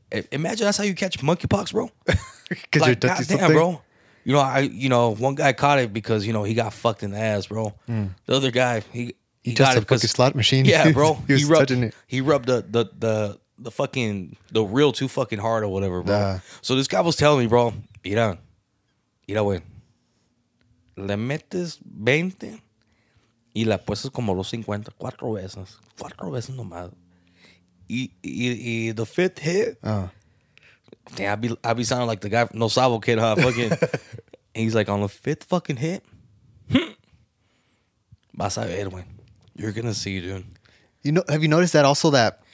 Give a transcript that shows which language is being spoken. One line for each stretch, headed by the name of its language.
English: Imagine that's how you catch monkeypox, bro. Because like, you're touching something? Damn, bro. You know, one guy caught it because, you know, he got fucked in the ass, bro. Mm. The other guy, he got it because. He touched a fucking slot machine? Yeah, bro. he was touching it. He rubbed the fucking, the real too fucking hard or whatever, bro. Nah. So this guy was telling me, bro,
Spanish: mira, güey, le metes 20 y la apuestas como los 50, cuatro veces nomás.
English: Y the fifth hit, damn, I be sounding like the guy, No Sabo Kid, huh? Fucking, and he's like, on the fifth fucking hit,
Spanish: vas a ver, güey.
English: You're gonna see, dude. You know, have you noticed that also that,